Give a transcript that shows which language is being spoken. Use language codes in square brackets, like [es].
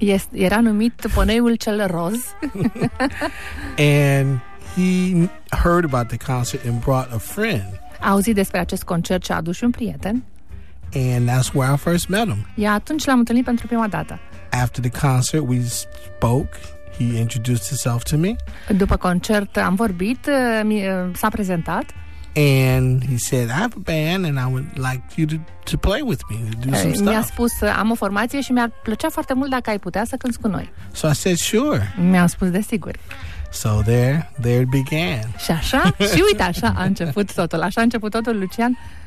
[ro] Era numit Poneiul cel Roz. [en] And he heard about the concert and brought a friend. [ro] A auzit despre acest concert și a adus un prieten. [en] And that's where I first met him. [ro] Ia atunci l-am întâlnit pentru prima dată. [en] After the concert we spoke, he introduced himself to me. [ro] După concert am vorbit, s-a prezentat. [en] And he said, I have a band and I would like you to play with me, to do some stuff. [ro] Mi-a spus, am o formație și mi-ar plăcea foarte mult dacă ai putea să cânți cu noi. [en] So I said, sure. [ro] Mi-am spus, desigur. [en] So there it began. [ro] Și așa, și uite așa a început totul. Așa a început totul, Lucian?